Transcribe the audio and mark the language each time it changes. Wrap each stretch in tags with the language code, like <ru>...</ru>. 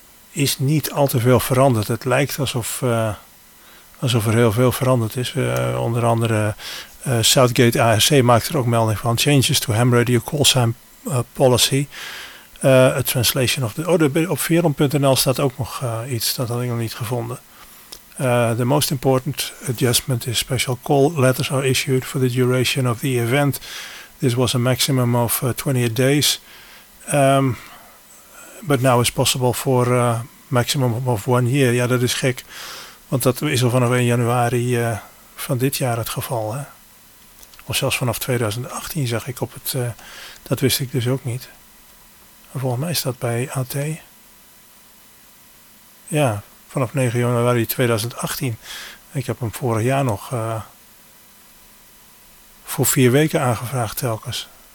<nl>Is niet al te veel veranderd. Het lijkt alsof er heel veel veranderd is. Onder andere Southgate ARC maakt er ook melding van.</nl> <en>Changes to ham radio call sign policy. A translation of the...</en> <nl>op Veerland.nl staat ook nog iets. Dat had ik nog niet gevonden.</nl> <en>The most important adjustment is special call letters are issued for the duration of the event. This was a maximum of 28 days. But now is possible for maximum of 1 year.</en> <nl>Ja, dat is gek. Want dat is al vanaf 1 januari van dit jaar het geval. Hè? Of zelfs vanaf 2018 zag ik op het... dat wist ik dus ook niet. En volgens mij is dat bij AT. Ja, vanaf 9 januari 2018. Ik heb hem vorig jaar nog voor 4 weken aangevraagd telkens.</nl>